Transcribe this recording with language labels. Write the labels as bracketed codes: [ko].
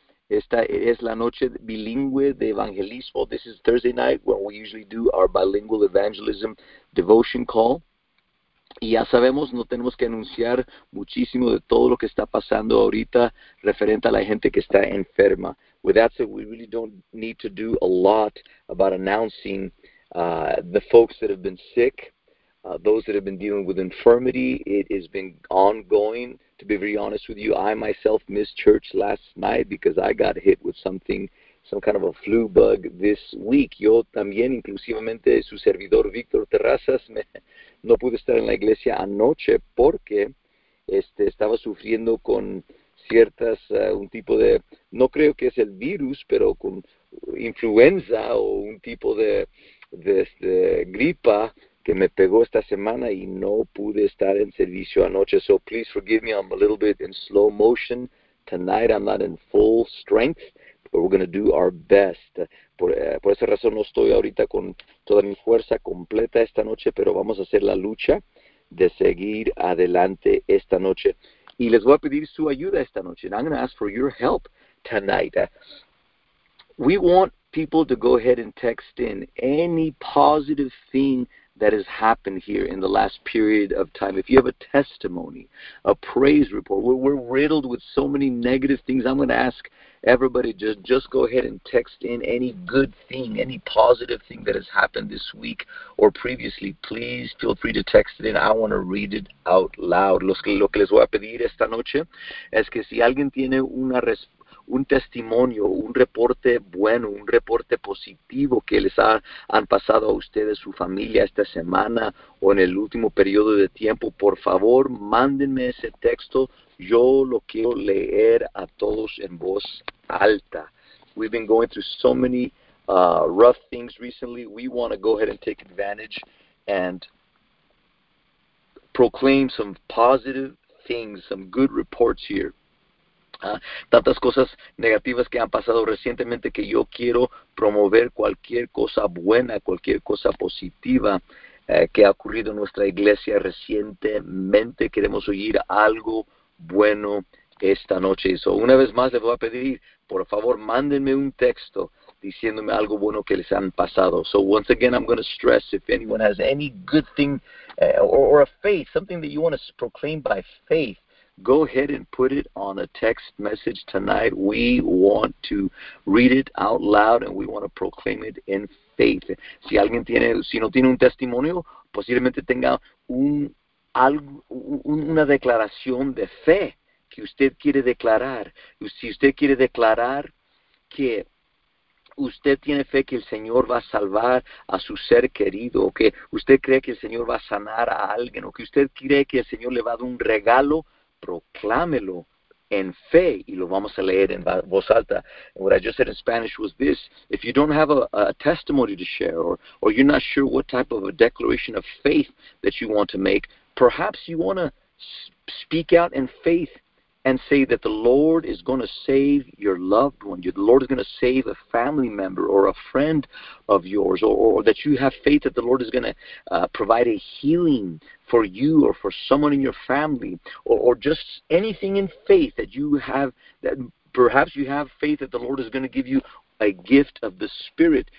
[es] Esta es la noche bilingüe de evangelismo. [en] This is Thursday night where we usually do our bilingual evangelism devotion call. [es] Y ya sabemos, no tenemos que anunciar muchísimo de todo lo que está pasando ahorita referente a la gente que está enferma. [en] With that said, we really don't need to do a lot about announcing the folks that have been sick, those that have been dealing with infirmity. It has been ongoing. To be very honest with you, I myself missed church last night because I got hit with something, some kind of a flu bug this week. [es] Yo también, inclusivamente, su servidor Víctor Terrazas, no pude estar en la iglesia anoche porque estaba sufriendo con ciertas, un tipo de, no creo que es el virus, pero con influenza o un tipo de gripa que me pegó esta semana y no pude estar en servicio anoche. [en] So please forgive me, I'm a little bit in slow motion. Tonight I'm not in full strength, but we're going to do our best. [es] Por esa razón no estoy ahorita con toda mi fuerza completa esta noche, pero vamos a hacer la lucha de seguir adelante esta noche. Y les voy a pedir su ayuda esta noche. [en] And I'm going to ask for your help tonight. We want people to go ahead and text in any positive thing that has happened here in the last period of time. If you have a testimony, a praise report, we're riddled with so many negative things. I'm going to ask everybody just go ahead and text in any good thing, any positive thing that has happened this week or previously. Please feel free to text it in. I want to read it out loud. [es] Lo que les voy a pedir esta noche es que si alguien tiene un testimonio, un reporte bueno, un reporte positivo que les han pasado a ustedes, su familia, esta semana o en el último periodo de tiempo, por favor, mándenme ese texto. Yo lo quiero leer a todos en voz alta. [en] We've been going through so many rough things recently. We want to go ahead and take advantage and proclaim some positive things, some good reports here. [es] Tantas cosas negativas que han pasado recientemente que yo quiero promover cualquier cosa buena, cualquier cosa positiva que ha ocurrido en nuestra iglesia recientemente. Queremos oír algo bueno esta noche. So, una vez más le voy a pedir, por favor, mándenme un texto diciéndome algo bueno que les han pasado. [en] So once again, I'm going to stress, if anyone has any good thing or a faith, something that you want to proclaim by faith, go ahead and put it on a text message tonight. We want to read it out loud and we want to proclaim it in faith. [es] Si alguien tiene, si no tiene un testimonio, posiblemente tenga una declaración de fe que usted quiere declarar. Si usted quiere declarar que usted tiene fe que el Señor va a salvar a su ser querido, o que usted cree que el Señor va a sanar a alguien, o que usted cree que el Señor le va a dar un regalo, proclámelo en fe y lo vamos a leer en voz alta. [en] And what I just said in Spanish was this: if you don't have a testimony to share, or you're not sure what type of a declaration of faith that you want to make, perhaps you want to speak out in faith and say that the Lord is going to save your loved one, the Lord is going to save a family member or a friend of yours, or that you have faith that the Lord is going to provide a healing for you or for someone in your family, or just anything in faith that you have, that perhaps you have faith that the Lord is going to give you a gift of the Spirit.